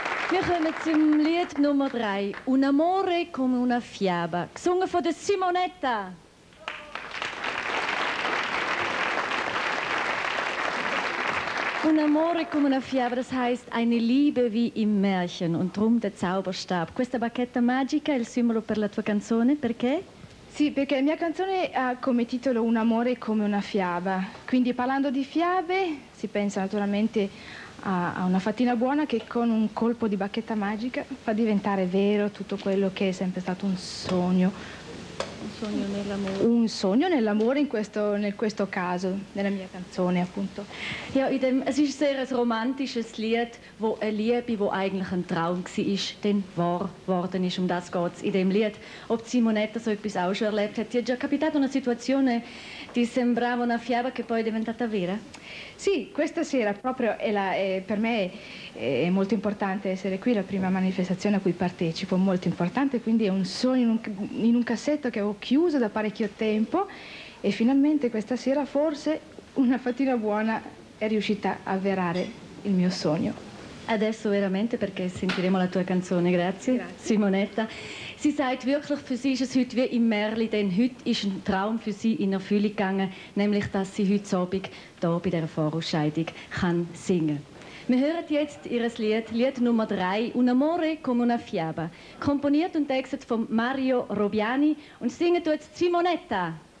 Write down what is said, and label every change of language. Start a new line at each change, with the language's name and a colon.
German: Wir kommen zum Lied Nummer 3. Un amore come una fiaba. Gesungen von der Simonetta. Un amore come una fiaba, das heisst eine Liebe wie im Märchen. Und darum der Zauberstab.
Italian: Questa bacchetta magica è il simbolo per la tua canzone, perché? Sì, perché la mia canzone ha come titolo Un amore come una fiaba. Quindi parlando di fiabe, si pensa naturalmente a una fatina buona che con un colpo di bacchetta magica fa diventare vero tutto quello che è sempre stato un sogno. Un sogno nell'amore. Un sogno nell'amore in questo caso, nella mia canzone appunto.
German: Ja, es ist sehr ein romantisches Lied, wo eine Liebe, wo eigentlich ein Traum gsi ist, denn wahr worden ist. Um das geht es in dem Lied. Ob Simonetta so etwas auch schon erlebt hat,
Italian: ti è già capitato una situazione ti sembrava una fiaba che poi è diventata vera? Sì, questa sera proprio per me è molto importante essere qui, la prima manifestazione a cui partecipo, molto importante, quindi è un sogno in un cassetto che ho chiuso da parecchio tempo e finalmente questa sera forse una fatina buona è riuscita a avverare il mio sogno. Adesso veramente perché sentiremo la tua canzone, grazie, grazie. Simonetta.
German: Sie sagt wirklich, für sie ist es heute wie im Märli, denn heute ist ein Traum für sie in Erfüllung gegangen, nämlich, dass sie heute Abend hier bei dieser Vorausscheidung kann singen. Wir hören jetzt ihr Lied, Lied Nummer 3, Un amore come una fiaba, komponiert und textet von Mario Robiani und singen tut Simonetta.